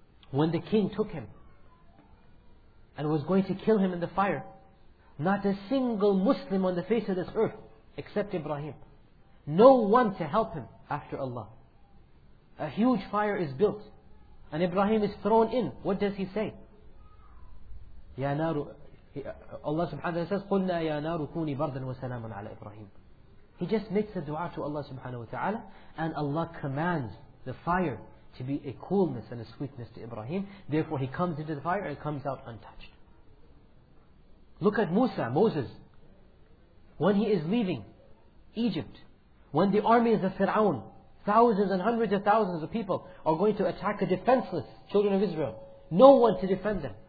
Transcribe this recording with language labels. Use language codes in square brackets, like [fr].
[en] When the king took him and was going to kill him in the fire, not a single Muslim on the face of this earth except Ibrahim. No one to help him after Allah. A huge fire is built and Ibrahim is thrown in. What does he say? [ar] Ya naru, [en] Allah subhanahu wa ta'ala says, [ar] قُلْنَا يَا نَارُ كُونِي بَرْدًا وَسَلَامًا عَلَى إِبْرَاهِيمٍ. [en] He just makes a dua to Allah subhanahu wa ta'ala, and Allah commands the fire to be a coolness and a sweetness to Ibrahim. Therefore he comes into the fire and comes out untouched. Look at Musa, Moses. When he is leaving Egypt, when the armies of Fir'aun, thousands and hundreds of thousands of people, are going to attack the defenseless children of Israel, no one to defend them.